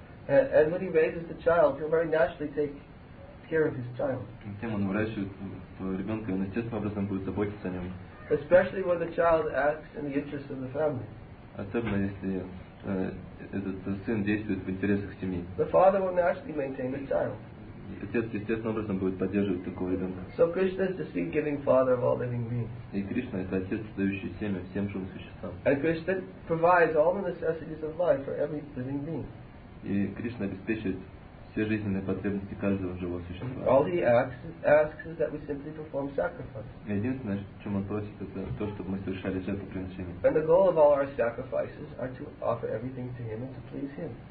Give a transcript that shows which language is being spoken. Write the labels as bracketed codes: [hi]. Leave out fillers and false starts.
[en] And when he raises the child, he'll very naturally take care of his child. [ru] Тем он выращивает своего ребенка, он естественным образом будет заботиться о нем. [en] Especially when the child acts in the interest of the family. [ru] Особенно если этот сын действует в интересах семьи. [en] The father will naturally maintain the child. [ru] Отец естественным образом будет поддерживать такого ребенка. [en] So Krishna is the seed-giving father of all living beings. [ru] И Кришна это отец, дающий семя всем живым существам. [en] And Krishna provides all the necessities of life for every living being. [ru] И Кришна обеспечивает все жизненные потребности каждого живого существа. [en] All he asks is that we simply perform sacrifice. [ru] И единственное, чем он просит, это то, чтобы мы совершали жертвоприношение. [en] And the goal of all our sacrifices are to offer everything to him and to please him.